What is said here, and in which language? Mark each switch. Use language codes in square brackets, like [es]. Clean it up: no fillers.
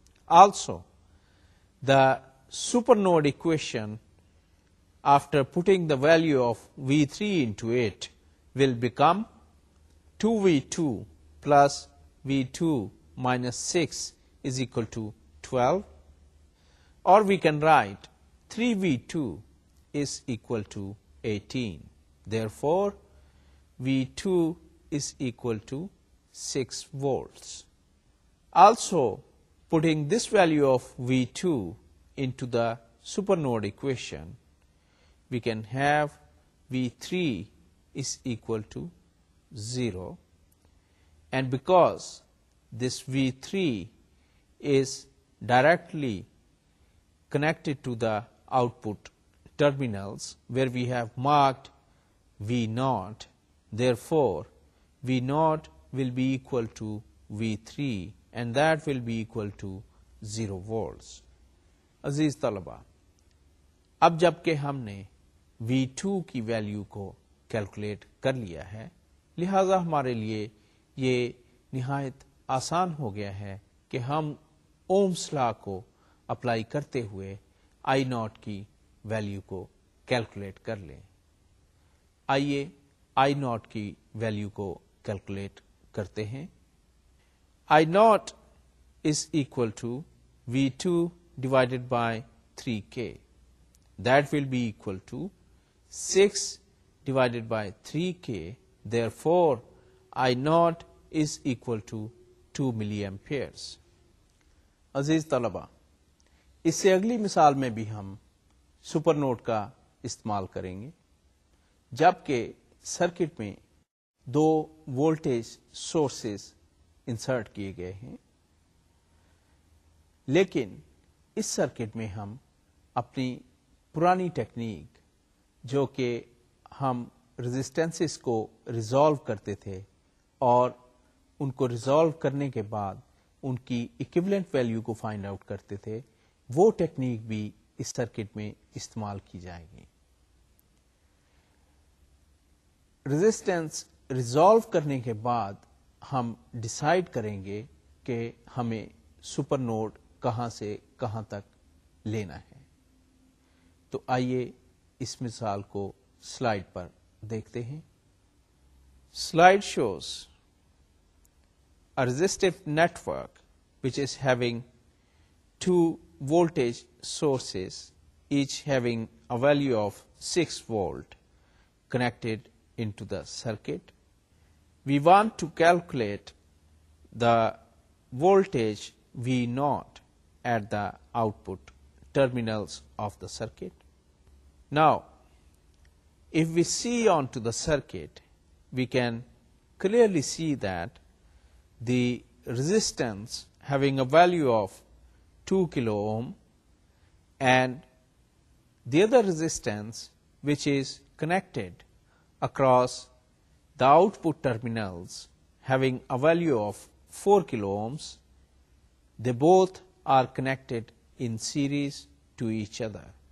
[en] Also the supernode equation after putting the value of V three into it will become 2v2 plus v2 minus 6 is equal to 12. Or we can write 3v2 is equal to 18. Therefore, v2 is equal to 6 volts. Also, putting this value of v2 into the supernode equation, we can have v3 is equal to 0. And because this V3 is directly connected to the output terminals where we have marked V0, therefore V0 will be equal to V3 and that will be equal to 0 volts. [ur] Aziz Talaba, ab jab ke humne V2 ki value ko calculate kar liya hai, لہذا ہمارے لیے یہ نہایت آسان ہو گیا ہے کہ ہم اوہمز لا کو اپلائی کرتے ہوئے آئی ناٹ کی ویلیو کو کیلکولیٹ کر لیں. آئیے آئی ناٹ کی ویلیو کو کیلکولیٹ کرتے ہیں. [en] I naught is equal to V two divided by three K, that will be equal to six divided by three K. Therefore, I naught is equal to 2 milliamperes. [ur] Aziz Talaba, اس سے اگلی مثال میں بھی ہم سپر نوڈ کا استعمال کریں گے. جبکہ سرکٹ میں دو وولٹیج سورسز انسرٹ کیے گئے ہیں, لیکن اس سرکٹ میں ہم اپنی پرانی ٹیکنیک جو کہ ہم ریزسٹنسز کو ریزالو کرتے تھے اور ان کو ریزالو کرنے کے بعد ان کی اکویلنٹ ویلیو کو فائنڈ آؤٹ کرتے تھے, وہ ٹیکنیک بھی اس سرکٹ میں استعمال کی جائے گی. ریزسٹنس ریزالو کرنے کے بعد ہم ڈیسائیڈ کریں گے کہ ہمیں سپر نوڈ کہاں سے کہاں تک لینا ہے. تو آئیے اس مثال کو سلائیڈ پر دیکھتے ہیں. [en] Slide shows a resistive network which is having two voltage sources each having a value of 6 volt connected into the circuit. We want to calculate the voltage V naught at the output terminals of the circuit. Now if we see onto the circuit, we can clearly see that the resistance having a value of 2 kilo ohm and the other resistance which is connected across the output terminals having a value of 4 kilo ohms, they both are connected in series to each other.